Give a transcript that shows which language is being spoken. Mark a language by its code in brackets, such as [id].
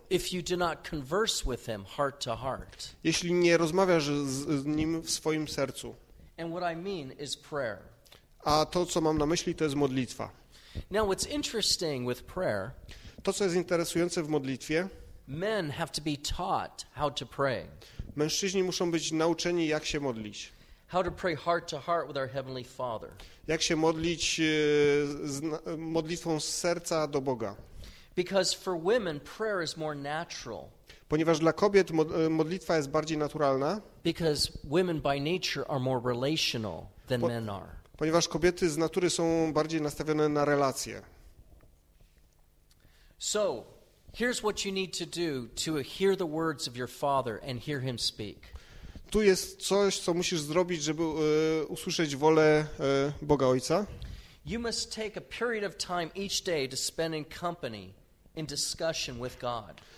[en] If you do not converse with him heart to heart. [pl] Jeśli nie rozmawiasz z Nim w swoim sercu. [en] And what I mean is prayer. [pl] A to, co mam na myśli, to jest modlitwa. [en] Now, what's interesting with prayer, [pl] to, co jest interesujące w modlitwie, [en] men have to be taught how to pray. [pl] Mężczyźni muszą być nauczeni, jak się modlić. [en] How to pray heart to heart with our Heavenly Father. [pl] Jak się modlić z modlitwą z serca do Boga. [en] Because for women prayer is more natural. [pl] Ponieważ dla kobiet modlitwa jest bardziej naturalna. [en] Because women by nature are more relational than men are. [pl] Ponieważ kobiety z natury są bardziej nastawione na relacje. [en] So, here's what you need to do to hear the words of your father and hear him speak. [pl] Tu jest coś, co musisz zrobić, żeby usłyszeć wolę Boga Ojca. [en] You must take a period of time each day to spend in company in discussion with God.